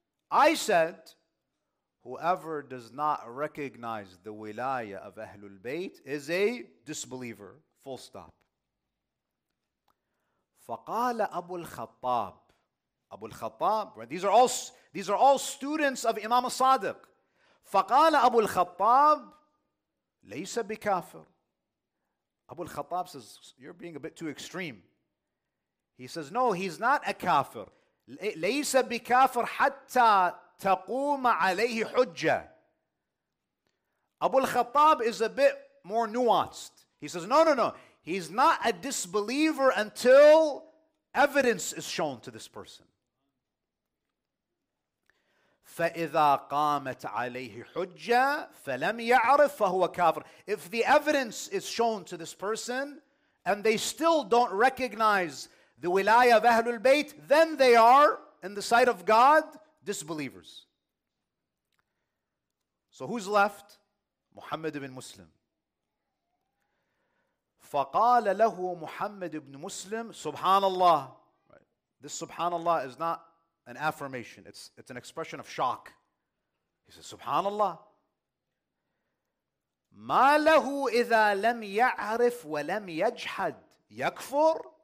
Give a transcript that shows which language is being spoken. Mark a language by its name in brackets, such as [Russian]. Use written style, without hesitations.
[English] I said, whoever does not recognize the wilaya of Ahlul Bayt is a disbeliever, full stop. [Arabic] فقال أبو الخطاب. أبو الخطاب. [English] Right? These are all students of Imam al-Sadiq. [Arabic] فقال أبو الخطاب ليس بكافر. [English] Abu al-Khattab says, you're being a bit too extreme. He says, no, he's not a kafir. [Arabic] ليس بكافر حتى تقوم عليه حجة. [English] Abu al-Khattab is a bit more nuanced. He says, no. He's not a disbeliever until evidence is shown to this person. [Arabic] فَإِذَا قَامَتْ عَلَيْهِ حُجَّةٌ فَلَمْ يَعْرِفْ فَهُوَ كَافِرٌ. [English] If the evidence is shown to this person and they still don't recognize the wilayah of Ahlul Bayt, then they are, in the sight of God, disbelievers. So who's left? Muhammad ibn Muslim. [Arabic] فَقَالَ لَهُ مُحَمَّدُ ibn Muslim. Subhanallah. [English] This subhanallah is not an affirmation. It's an expression of shock. He says, Subhanallah. [Arabic] مَا لَهُ إِذَا لَمْ يَعْرِفْ وَلَمْ يَجْحَدْ يَكْفُرْ.